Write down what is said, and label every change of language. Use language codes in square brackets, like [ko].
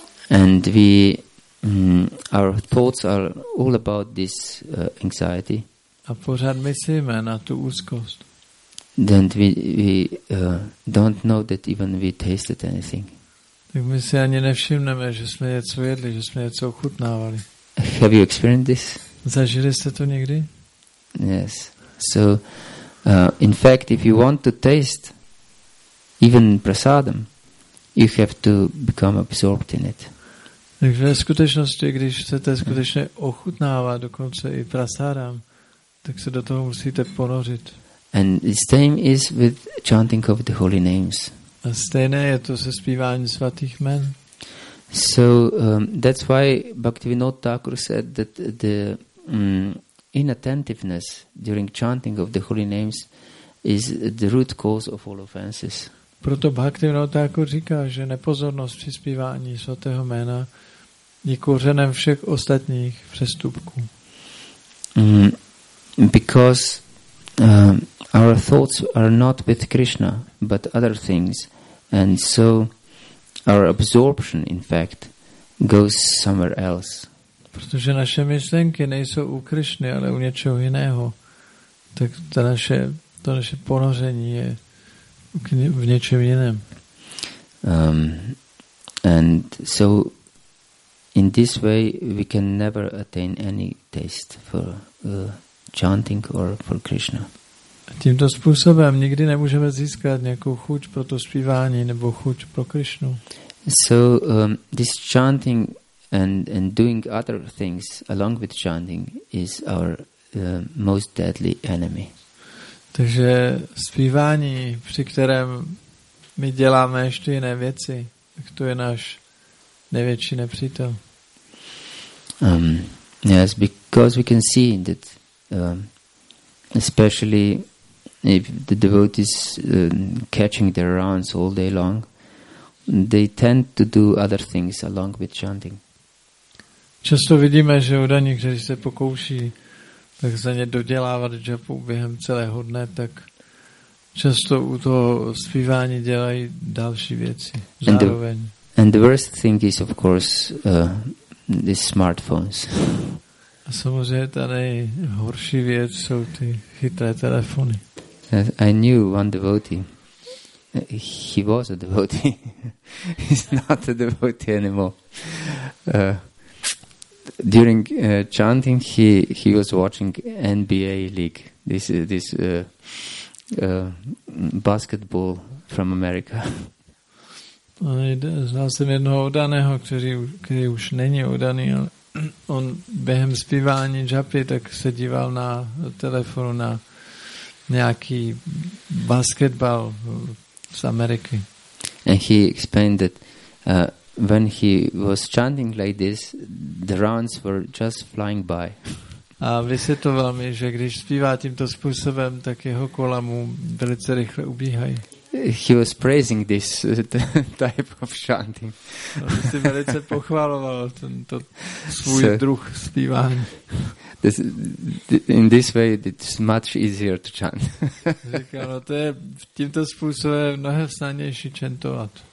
[en] And we our thoughts are all about this anxiety. [cs] A pořád myslíme na tu úzkost. [en] Then we don't know that even we tasted anything. [cs] Tak my si ani nevšimneme, že jsme něco jedli, že jsme něco ochutnávali. [en] Have you experienced this? [cs] Zažili jste to někdy? [en] Yes. So, in fact, if you want to taste even prasadam, you have to become absorbed in it. [cs] Takže ve skutečnosti, když chcete skutečně ochutnávat dokonce i prasadam, tak se do toho musíte ponořit. [en] And the same is with chanting of the holy names. [cs] A stejné je to se zpíváním svatých jmen. [en] So that's why Bhaktivinoda Thakur said that the inattentiveness during chanting of the holy names is the root cause of all offenses. [cs] Proto Bhaktivinoda Thakur říká, že nepozornost při zpívání svatého jména je kořenem všech ostatních přestupků. [en] Because our thoughts are not with Krishna, but other things, and so our absorption, in fact, goes somewhere else. [cs] Protože naše myšlenky nejsou u Krishny, ale u něčeho jiného, tak to naše ponoření je v něčem jiném. [en] And so, in this way, we can never attain any taste for chanting or for Krishna. [cs] Tímto způsobem nikdy nemůžeme získat nějakou chuť pro to zpívání nebo chuť pro Krishnu. [en] So this chanting and doing other things along with chanting is our most deadly enemy. [cs] Takže zpívání, při kterém my děláme ještě jiné věci, tak to je náš největší nepřítel. [en] Yes, because we can see that especially if the devotees catching their rounds all day long, they tend to do other things along with chanting. [cs] Často vidíme, že udaní, kteří se pokouší tak za ně dodělávat džapu během celého dne, tak často u toho zpívání dělají další věci. Zároveň. [en] And the worst thing is, of course, these smartphones. [cs] A samozřejmě ta nejhorší věc jsou ty chytré telefony. [en] I knew one devotee. He was a devotee. He's not a devotee anymore. During chanting, he was watching NBA league. This basketball from America. [cs] Znal jsem jednoho udaného, který už není udaný, ale on během zpívání džapy tak se díval na telefonu na nějaký basketbal z Ameriky. [en] And he explained that when he was chanting like this, the rounds were just flying by. [cs] A vysvětoval mi, že když zpívá tímto způsobem, tak jeho kola mu velice rychle ubíhají. [en] He was praising this type of chanting. [cs] Si velice pochvaloval tento svůj druh zpívání. [en] In this way, it's much easier to chant. [cs] Říkal, no to je tímto způsobem mnohem snadnější chantovat.